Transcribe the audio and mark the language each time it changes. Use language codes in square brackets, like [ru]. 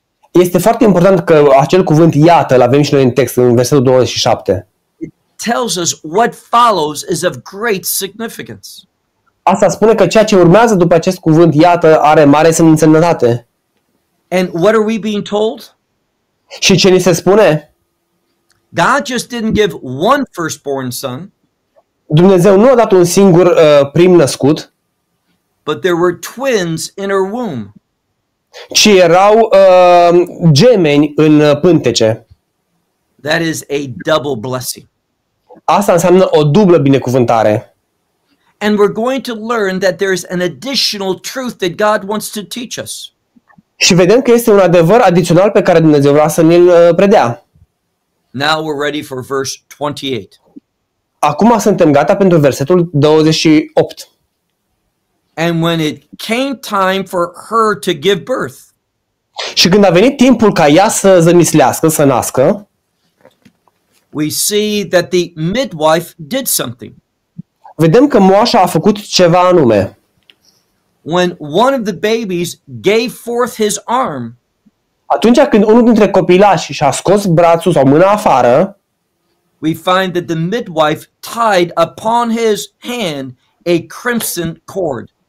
[ro] Este foarte important că acel cuvânt iată, l-avem și noi în text, în versetul 27. [en] It tells us what follows is of great significance. [ro] Asta spune că ceea ce urmează după acest cuvânt iată are mare semnătate. [en] And what are we being told? [ro] Și ce ni se spune? [en] God just didn't give one firstborn son. [ro] Dumnezeu nu a dat un singur prim născut. [en] But there were twins in her womb. [ro] Ci erau gemeni în pântece. [en] That is a double blessing. [ro] Asta înseamnă o dublă binecuvântare. [en] And we're going to learn that there's an additional truth that God wants to teach us. [ro] Și vedem că este un adevăr adițional pe care Dumnezeu vrea să ne-l predea. [en] Now we're ready for verse 28. [ro] Acum suntem gata pentru versetul 28. [en] And when it came time for her to give birth. [ro] Și când a venit timpul ca ea să zămislească, să nască. [en] We see that the midwife did something. [ro] Vedem că moașa a făcut ceva anume. [en] When one of the babies gave forth his arm. [ro] Atunci când unul dintre copilași și-a scos brațul sau mâna afară. [en] We find that the midwife tied upon his hand a crimson cord.